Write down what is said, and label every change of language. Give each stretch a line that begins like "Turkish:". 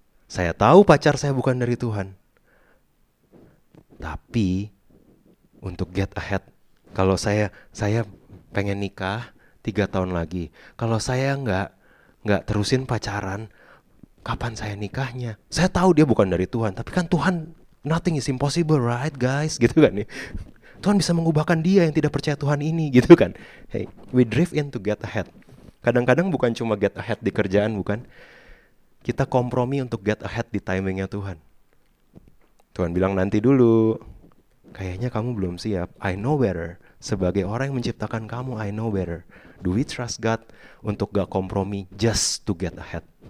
Indonesian: Saya tahu pacar saya bukan dari Tuhan, tapi untuk
English: get ahead,
Indonesian: kalau saya pengen nikah 3 tahun lagi. Kalau saya enggak terusin pacaran, kapan saya nikahnya? Saya tahu dia bukan dari Tuhan, tapi kan Tuhan,
English: nothing is impossible, right guys?
Indonesian: Gitu kan nih. Tuhan bisa mengubahkan dia yang tidak percaya Tuhan ini, gitu kan.
English: Hey, we drift in to get ahead.
Indonesian: Kadang-kadang bukan cuma
English: get ahead
Indonesian: di kerjaan, bukan. Kita kompromi untuk
English: get ahead
Indonesian: di timingnya Tuhan. Tuhan bilang nanti dulu. Kayaknya kamu belum siap.
English: I know better.
Indonesian: Sebagai orang yang menciptakan kamu, I know better.
English: Do we trust God
Indonesian: untuk gak kompromi
English: just to get ahead?